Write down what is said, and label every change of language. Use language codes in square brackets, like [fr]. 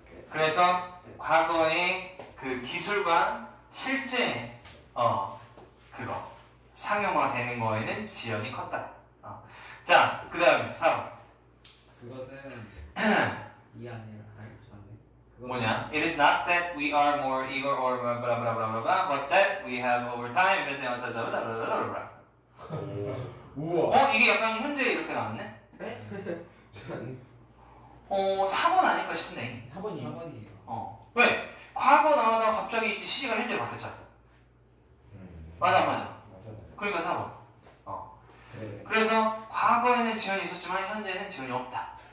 [ko] 그래서 과거의 그 기술과 실제 그거 상용화되는 거에는 지연이 컸다. 자, 그 다음에 4번. 그것은 이 아니라 아니 전에 뭐냐? [en] It is not that we are more eager or blah blah blah blah blah, but that we have over time been able to blah blah blah blah. [ko] 우와. 이게 약간 현재 이렇게 나왔네? 네? 4번 아닐까 싶네. 4번이요? 왜? 과거 나오다가 갑자기 이제 시기가 현재로 바뀌었잖아. 맞아. 그러니까 4번. 그래서 과거에는 지연이 있었지만 현재는 지연이 없다.